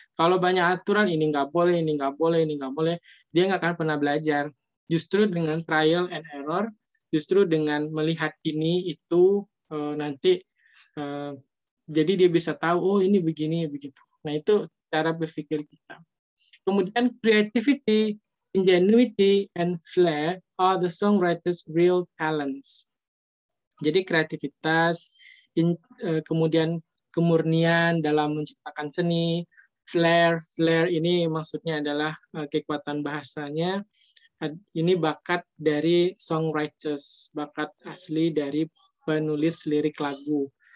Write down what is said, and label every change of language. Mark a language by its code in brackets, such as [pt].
[id] Kalau banyak aturan, ini nggak boleh, ini nggak boleh, ini nggak boleh, dia nggak akan pernah belajar. Justru dengan [en] trial and error, [id] justru dengan melihat ini, itu nanti, jadi dia bisa tahu, oh ini begini, begitu. Nah, itu cara berpikir kita. [en] Kemudian creativity, ingenuity, and flair are the songwriter's real talents. [id] Jadi kreativitas, kemudian kemurnian dalam menciptakan seni, flair ini maksudnya adalah kekuatan bahasanya. Ini bakat dari songwriters, bakat asli dari penulis lirik lagu.